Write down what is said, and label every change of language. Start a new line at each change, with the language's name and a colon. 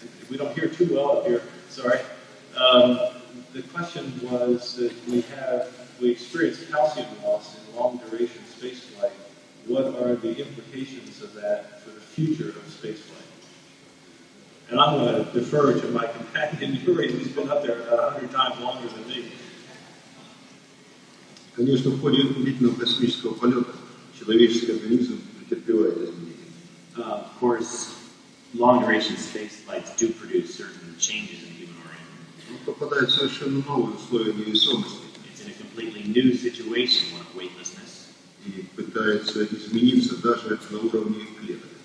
English: We don't hear too well up here, sorry. The question was that we experience calcium loss in long duration space flight. What are the implications of that for the future of spaceflight? And I'm going to defer to my companion Yuri, who's been up there about 100 times longer than me.
Russian: Конечно, в ходе длительного космического полета человеческий организм претерпевает изменения.
English: Of course, long-duration spaceflights do produce certain changes in human organism.
Russian: попадает в совершенно новые условия невесомости.
English: It's in a completely new situation, one of weightlessness.
Russian: И пытается измениться даже на уровне клеток.